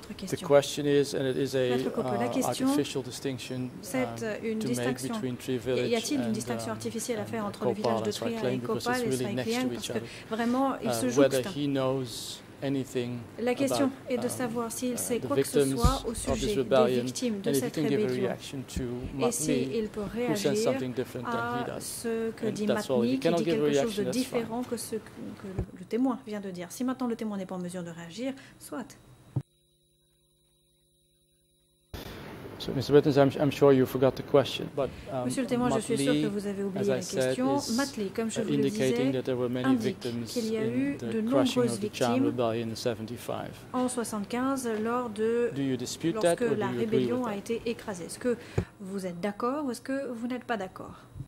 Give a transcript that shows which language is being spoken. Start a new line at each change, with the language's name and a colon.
English: The question is, and it is a artificial distinction to make between Treya Village and Kopal and Swai Kleng, because it's really next to each other, whether he knows anything about the victims of this rebellion, and if he can give a reaction to Matli, who says something different than he does. And that's all. If he cannot give a reaction, that's fine.
French: Que le témoin vient de dire. Si maintenant le témoin n'est pas en mesure de réagir, soit.
English: So, Mr. Witness, I'm sure you forgot the question, but
French: Monsieur le témoin, je suis sûr que vous avez oublié la question. Matli, comme je vous le disais,
English: that there were many victims
French: qu'il y a eu de nombreuses victimes en 75 lors de lorsque la rébellion a été écrasée. Est-ce que vous êtes d'accord ou est-ce que vous n'êtes pas d'accord?